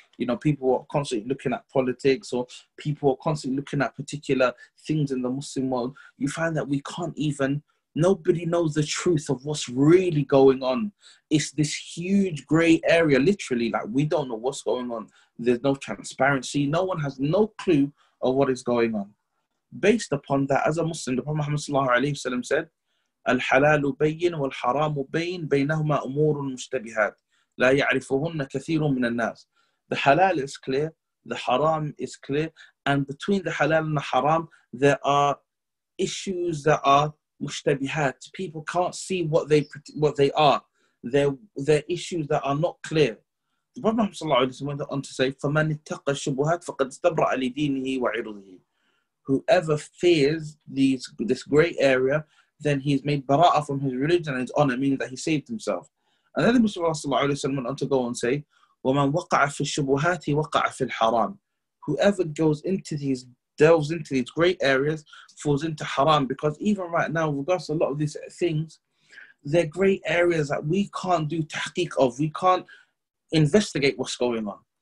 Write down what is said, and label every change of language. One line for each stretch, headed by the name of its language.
English: You know, people are constantly looking at politics, or people are constantly looking at particular things in the Muslim world. You find that nobody knows the truth of what's really going on. It's this huge grey area, literally, like we don't know what's going on. There's no transparency, no one has no clue of what is going on. Based upon that, as a Muslim, the Prophet Muhammad ﷺ said,
Arabic: الحلال بين والحرام بين بينهما أمور مشتبهات لا يعرفهن كثير من الناس.
English: The halal is clear, the haram is clear, and between the halal and the haram, there are issues that are مشتبهات. People can't see what they are. They're issues that are not clear. The Prophet صلى الله عليه وسلم went on to say,
Arabic: فمن اتقى الشبهات فقد استبرع لدينه وعرضه.
English: Whoever fears this grey area, then he's made bara'ah from his religion and his honor, meaning that he saved himself. And then the Prophet went on to go and say,
Arabic: وَمَنْ وَقَعَ فِي الشُّبُهَاتِ وَقَعَ فِي الْحَرَامِ.
English: Whoever delves into these grey areas falls into haram, because even right now, with regards to a lot of these things, they're grey areas that we can't do tahqiq of, we can't investigate what's going on.